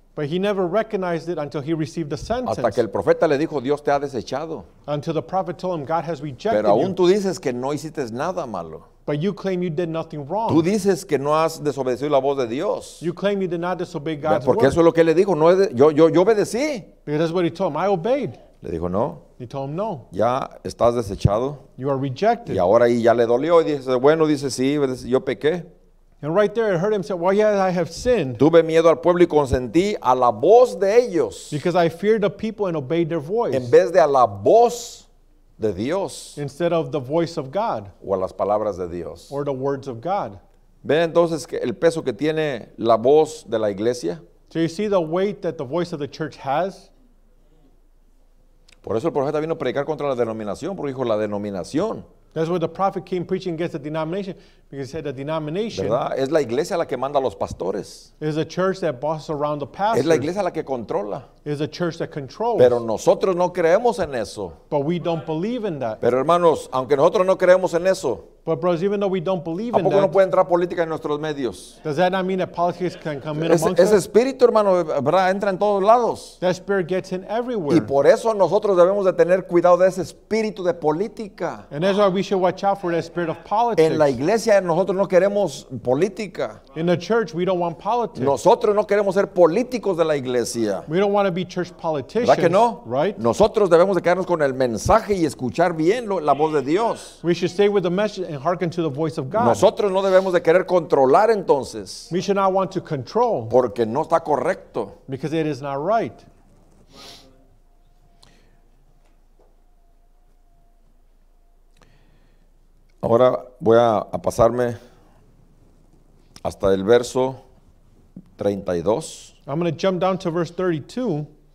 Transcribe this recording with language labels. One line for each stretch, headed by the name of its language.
English: But he never recognized it until he received the sentence.
Spanish: Hasta que el profeta le dijo, Dios te ha desechado.
English: Until the prophet told him, God has rejected you.
Spanish: Pero aún tú dices que no hiciste nada malo.
English: But you claim you did nothing wrong.
Spanish: Tú dices que no has desobedecido la voz de Dios.
English: You claim you did not disobey God's word.
Spanish: Porque eso es lo que él le dijo, no es de, yo obedecí.
English: Because that's what he told him, I obeyed.
Spanish: Le dijo, no.
English: He told him, no.
Spanish: Ya estás desechado.
English: You are rejected.
Spanish: Y ahora ahí ya le dolió y dice, bueno, dice, sí, yo pequé.
English: And right there, it heard him say, well, yeah, I have sinned.
Spanish: Tuve miedo al pueblo y consentí a la voz de ellos.
English: Because I feared the people and obeyed their voice.
Spanish: En vez de a la voz de Dios.
English: Instead of the voice of God.
Spanish: O a las palabras de Dios.
English: Or the words of God.
Spanish: Ve entonces que el peso que tiene la voz de la iglesia.
English: So you see the weight that the voice of the church has.
Spanish: Por eso el profeta vino a predicar contra la denominación, porque dijo la denominación.
English: That's why the prophet came preaching against the denomination, because he said the denomination.
Spanish: ¿Verdad? Es la iglesia la que manda a los pastores.
English: Is the church that bosses around the pastors.
Spanish: Es la iglesia la que controla.
English: Is the church that controls.
Spanish: Pero nosotros no creemos en eso.
English: But we don't believe in that.
Spanish: Pero hermanos, aunque nosotros no creemos en eso.
English: But brothers, even though we don't believe in that.
Spanish: ¿A poco no puede entrar política en nuestros medios?
English: Does that not mean that politics can come in amongst us?
Spanish: Ese espíritu, hermano, ¿verdad? Entra en todos lados.
English: That spirit gets in everywhere.
Spanish: Y por eso nosotros debemos de tener cuidado de ese espíritu de política.
English: And that's why we should watch out for that spirit of politics.
Spanish: En la iglesia nosotros no queremos política.
English: In the church, we don't want politics.
Spanish: Nosotros no queremos ser políticos de la iglesia.
English: We don't want to be church politicians.
Spanish: ¿Verdad que no?
English: Right?
Spanish: Nosotros debemos de quedarnos con el mensaje y escuchar bien la voz de Dios.
English: We should stay with the message and hearken to the voice of God.
Spanish: Nosotros no debemos de querer controlar entonces.
English: We should not want to control.
Spanish: Porque no está correcto.
English: Because it is not right.
Spanish: Ahora voy a pasarme hasta el verso 32.
English: I'm going to jump down to verse 32.